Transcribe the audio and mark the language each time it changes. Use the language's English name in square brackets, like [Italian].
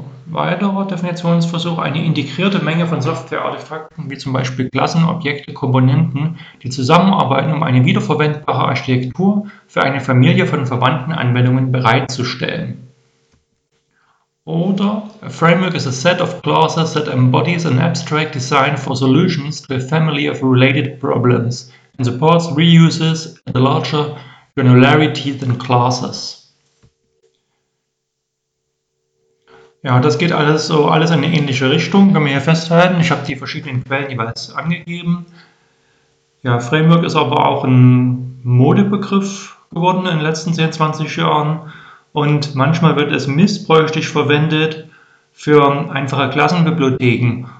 [German] Weiterer Definitionsversuch: Eine integrierte Menge von Software-Artefakten, wie zum Beispiel Klassen, Objekte, Komponenten, die zusammenarbeiten, um eine wiederverwendbare Architektur für eine Familie von verwandten Anwendungen bereitzustellen. [English] Oder: A framework is a set of classes that embodies an abstract design for solutions to a family of related problems and supports reuses at a larger granularity than classes. [German] Ja, das geht alles so alles in eine ähnliche Richtung, können wir hier festhalten. Ich habe die verschiedenen Quellen jeweils angegeben. Ja, Framework ist aber auch ein Modebegriff geworden in den letzten 10, 20 Jahren und manchmal wird es missbräuchlich verwendet für einfache Klassenbibliotheken.